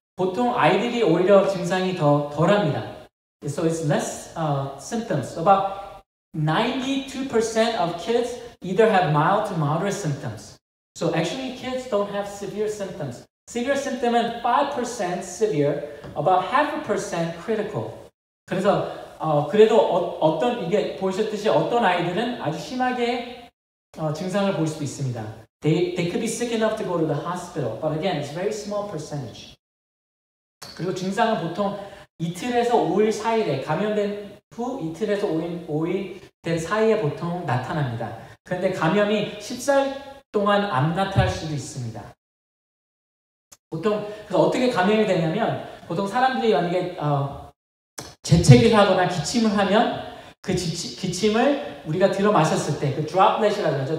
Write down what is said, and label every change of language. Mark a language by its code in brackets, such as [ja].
[ko] 보통 아이들이 오히려 증상이 더 덜합니다. [en] So it's less symptoms. About 92% of kids either have mild to moderate symptoms. So actually kids don't have severe symptoms. Severe symptoms은 5% severe, about 0.5% critical. [ko] 그래서 그래도 어떤 이게 보셨듯이 어떤 아이들은 아주 심하게 증상을 보일 수도 있습니다. [en] They could be sick enough to go to the hospital, but again, it's a very small percentage. [ko] 그리고 증상은 보통 이틀에서 5일 사이에 감염된 후 이틀에서 5일 된 사이에 보통 나타납니다. 그런데 감염이 14일 동안 안 나타날 수도 있습니다. 보통 그래서 어떻게 감염이 되냐면 보통 사람들이 만약에 재채기를 하거나 기침을 하면 그 기침을 우리가 들어 마셨을 때 그 드롭렛이라고 그러죠.